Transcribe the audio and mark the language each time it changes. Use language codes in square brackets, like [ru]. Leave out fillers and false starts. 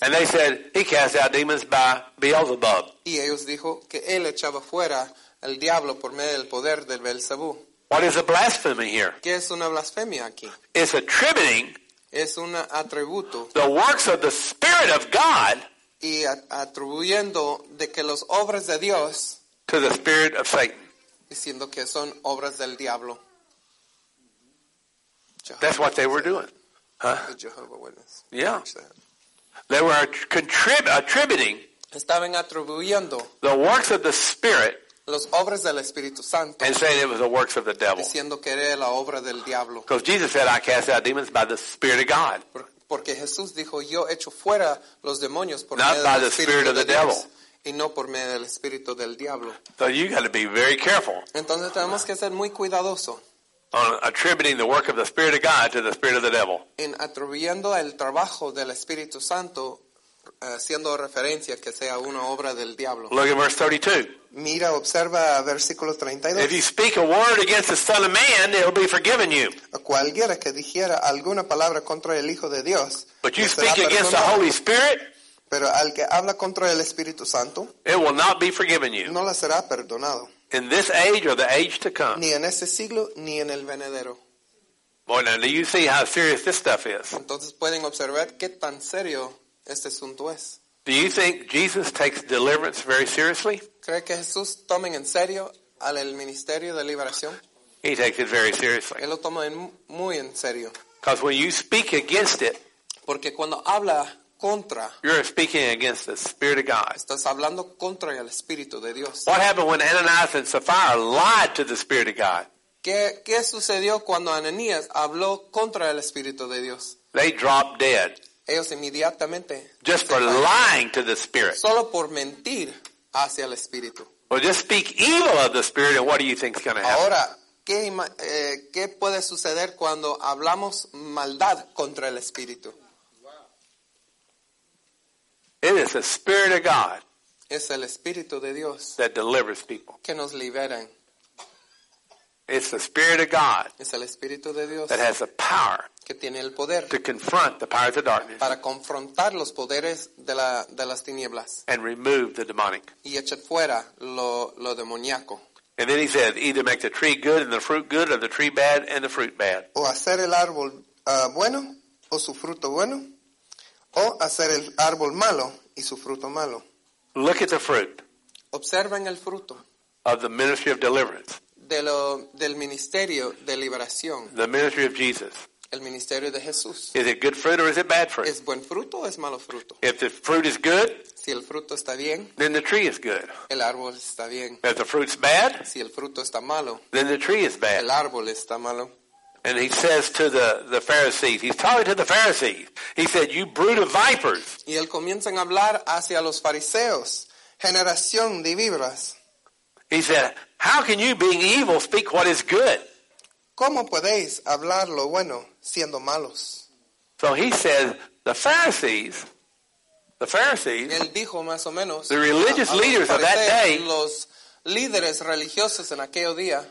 [en] And they said he cast out demons by Beelzebub. [es] Y ellos dijo que él echaba fuera el diablo por medio del poder del Belzebú. [en] What is a blasphemy here? [es] ¿Qué es una blasfemia aquí? [en] It's attributing [es] es un atributo [en] the works of the Spirit of God [es] y atribuyendo de que los obras de Dios [en] to the spirit of Satan. [es] Diciendo que son obras del diablo. [en] That's what they were doing. Huh? Yeah. They were attributing [es] estaban atribuyendo [en] the works of the Spirit [es] los obras del Espíritu Santo [en] and saying it was the works of the devil. [es] Diciendo que era la obra del diablo. [en] Because Jesus said, I cast out demons by the Spirit of God. [es] Porque Jesús dijo, yo echo fuera los demonios por [en] not [es] medio [en] by [es] del [en] the Spirit of the devil. [es] Y no por medio del Espíritu del diablo. [en] So you got to be very careful. [es] Entonces tenemos que ser muy cuidadosos. [en] On attributing the work of the Spirit of God to the Spirit of the devil. [es] En atribuyendo el trabajo del Espíritu Santo, haciendo referencia que sea una obra del diablo. [en] Look at verse 32. [es] Mira, observa versículo 32. [en] If you speak a word against the Son of Man, it will be forgiven you. [es] Cualquiera que dijera alguna palabra contra el Hijo de Dios. [en] But you speak against the Holy Spirit. [es] Pero al que habla contra el Espíritu Santo. [en] It will not be forgiven you. [es] No le será perdonado. [en] In this age or the age to come. [es] Ni en ese siglo, ni en el venidero. [en] Boy, now do you see how serious this stuff is? [es] Entonces pueden observar qué tan serio este asunto es. [en] Do you think Jesus takes deliverance very seriously? [es] ¿Cree que Jesús toma en serio al ministerio de liberación? [en] He takes it very seriously. [es] Él lo toma muy en serio. [en] Because when you speak against it. [es] Porque cuando habla contra. [en] You're speaking against the Spirit of God. [es] Estás hablando contra el Espíritu de Dios. [en] What happened when Ananias and Sapphira lied to the Spirit of God? [es] ¿Qué sucedió cuando Ananías habló contra el Espíritu de Dios? [en] They dropped dead. [es] Ellos inmediatamente. [en] Just for lying to the Spirit. [es] Solo por mentir hacia el Espíritu. [en] Well, just speak evil of the Spirit and what do you think is going to happen? [es] Ahora, ¿qué puede suceder cuando hablamos maldad contra el Espíritu? [en] It is the Spirit of God [es] es el Espíritu de Dios [en] that delivers people. [es] Que nos liberan. [en] It's the Spirit of God [es] es el Espíritu de Dios [en] that has the power [es] que tiene el poder [en] to confront the powers of darkness [es] para confrontar los poderes de las tinieblas [en] and remove the demonic. [es] Y echar fuera lo demoníaco. [en] And then he says, either make the tree good and the fruit good or the tree bad and the fruit bad. [es] O hacer el árbol bueno o su fruto bueno. O hacer el árbol malo y su fruto malo. [en] Look at the fruit. [es] Observen el fruto. [en] Of the ministry of deliverance. [es] Del ministerio de liberación. [en] The ministry of Jesus. [es] El ministerio de Jesús. [en] Is it good fruit or is it bad fruit? [es] ¿Es buen fruto o es malo fruto? [en] If the fruit is good. [es] Si el fruto está bien. [en] Then the tree is good. [es] El árbol está bien. [en] If the fruit's bad. [es] Si el fruto está malo. [en] Then the tree is bad. [es] El árbol está malo. [en] And he says to the Pharisees, he's talking to the Pharisees. He said, you brood of vipers. [es] Y él comienza a hablar hacia los fariseos, generación de víboras. [en] He said, how can you, being evil, speak what is good? [es] ¿Cómo podéis hablar lo bueno siendo malos? [en] So he said, the Pharisees, [es] él dijo más o menos, [en] the religious [es] a [en] leaders [es] los fariseos, [en] of that day, [es] los líderes religiosos en aquello día,